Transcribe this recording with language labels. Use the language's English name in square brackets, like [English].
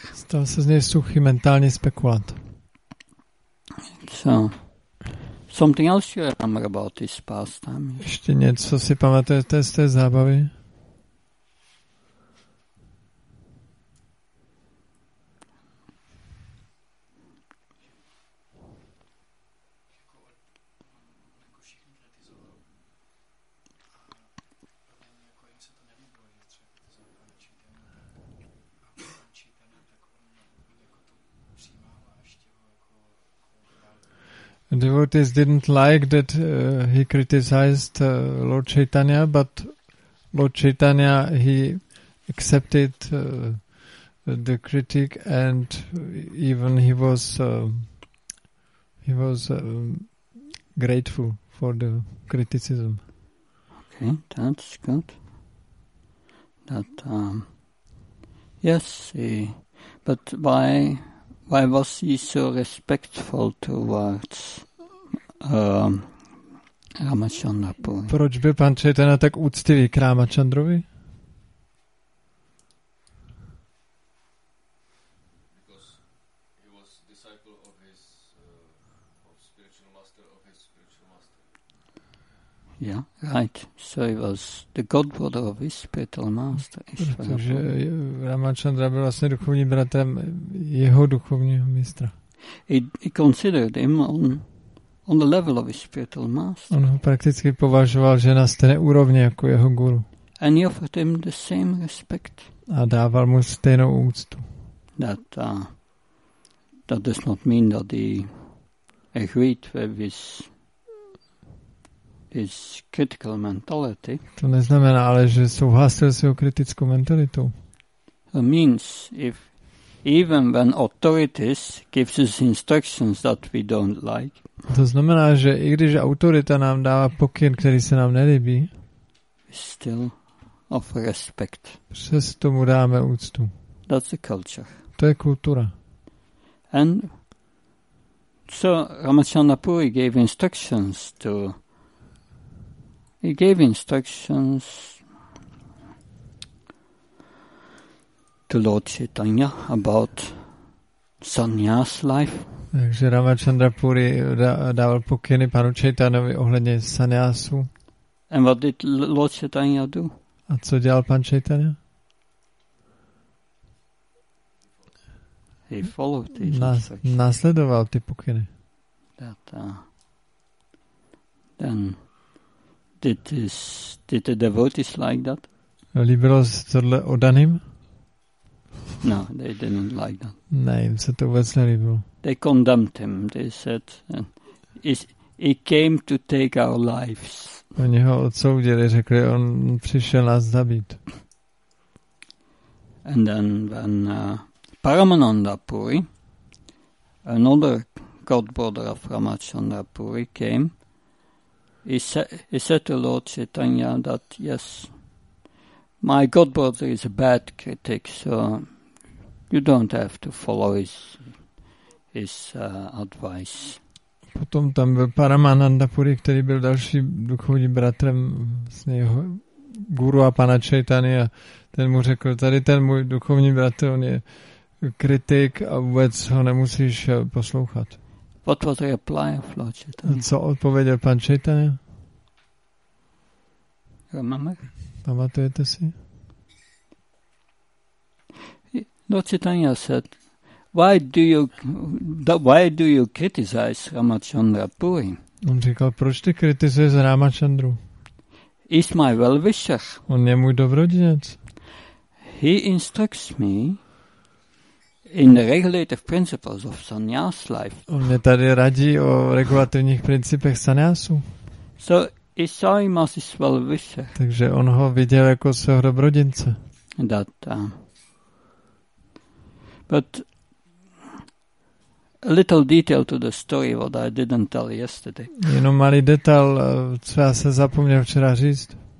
[Czech] Stal se z něj suchý mentální spekulant. [English] So, something else you remember about this pastime? [Czech] Ještě něco si pamatujete z té zábavy? [English] Devotees didn't like that he criticized Lord Chaitanya, but Lord Chaitanya, he accepted the critique, and even he was grateful for the criticism. Okay, that's good. That yes, but why was he so respectful towards? Ramachandra Puri. [Czech] Proč byl pan Chaitanya tak úctivý k Ramachandrovi? [English] Yeah, right. So he was the godfather of his spiritual master. [Czech] Protože Ramachandra byl vlastně duchovním bratrem jeho duchovního mistra. [English] He considered him on the level of his spiritual master. [Czech] On ho prakticky považoval, že na stejné úrovni jako jeho guru. [English] And he offered him the same respect. [Czech] A dával mu stejnou úctu. [English] That does not mean that he agreed with his critical mentality. [Czech] To neznamená ale, že souhlasil s jeho kritickou mentalitou. [English] It means if even when authorities give us instructions that we don't like. [Czech] To znamená, že i když autorita nám dává pokyn, který se nám nelíbí, [English] still of respect. [Czech] Přesto mu dáme úctu. [English] That's a culture. [Czech] To je kultura. [English] And So Ramachandrapuri gave instructions to Lord Chaitanya about sannyas life. [Czech] Takže Ramachandrapuri dával pokyny panu Chaitanyovi ohledně sannyasu. [English] And what did Lord Chaitanya do? [Czech] A co dělal pan Chaitanya? [English] He followed these instructions. [Czech] Následoval ty pokyny. [English] That, then did this, did the devotees like that? [Czech] Líbilo se tohle odaným? [English] No, they didn't like that. [Czech] Ne, jim se to vůbec nelíbilo. [English] They condemned him. They said, he came to take our lives. [Czech] Oni ho odsoudili, řekli, on přišel nás zabít. [English] And then when Paramananda Puri, another god brother of Ramachandra Puri came, he said to Lord Chaitanya that, yes, my god brother is a bad critic, so you don't have to follow his advice. [Czech] Potom tam byl Paramananda Puri, který byl další duchovní bratrem vlastně jeho guru a pana Chaitany, a ten mu řekl, tady ten můj duchovní bratr, on je kritik a vůbec ho nemusíš poslouchat. [English] What was the reply of Lord Chaitanya? [Czech] Co odpověděl pan Chaitanya? [English] Remember? [Czech] Pamatujete si? [English] Lord Chaitanya said, Why do you criticize Ramachandra Puri? [Czech] On říkal, proč ty kritizuješ Ramachandru? [English] He's my well-wisher. [Czech] On je můj dobrodinec. [English] He instructs me in the regulative principles of sannyas life. [Czech] On mě tady radí o regulativních principech sannyasu. [English] So he saw him as his well-wisher. [Czech] Takže on ho viděl jako svého dobrodince. [English] That, but a little detail to the story what I didn't tell yesterday. [Czech] Jenom malý detail, co já se zapomněl včera říct.